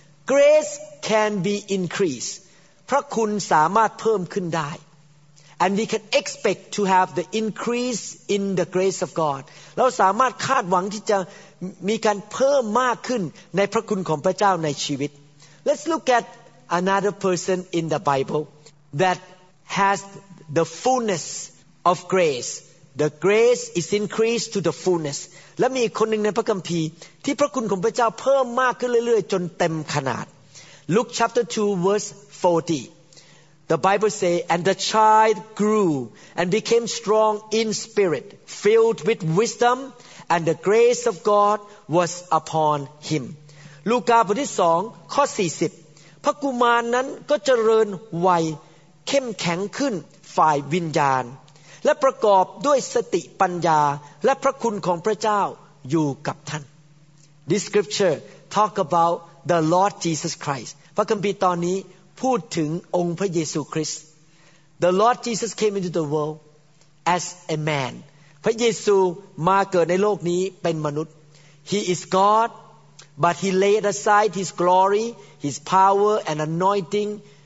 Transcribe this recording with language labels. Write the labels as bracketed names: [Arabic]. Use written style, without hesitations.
[English] Grace can be increased [Thai] พระคุณสามารถเพิ่มขึ้นได้ [English] And we can expect to have the increase in the grace of God [Thai] เราสามารถคาดหวังที่จะมีการเพิ่มมากขึ้นในพระคุณของพระเจ้าในชีวิต [English] Let's look at another person in the Bible that has the fullness of graceThe grace is increased to the fullness. [Thai] และมีคนหนึ่งในพระคัมภีร์ที่พระคุณของพระเจ้าเพิ่มมากขึ้นเรื่อยๆจนเต็มขนาด [English] Luke chapter 2 verse 40. The Bible says, And the child grew and became strong in spirit, filled with wisdom, and the grace of God was upon him. [Thai] ลูกาบทที่2ข้อ40พระกุมารนั้นก็เจริญวัยเข้มแข็งขึ้นฝ่ายวิญญาณและประกอบด้วยสติปัญญาและพระคุณของพระเจ้าอยู่กับท่าน [English] This scripture talk about the Lord Jesus Christ [Thai] พระคัมภีร์ตอนนี้พูดถึงองค์พระเยซูคริสต์ [English] The Lord Jesus came into the world as a man [Thai] พระเยซูมาเกิดในโลกนี้เป็นมนุษย์ [English] He is God but he laid aside his glory his power and anointing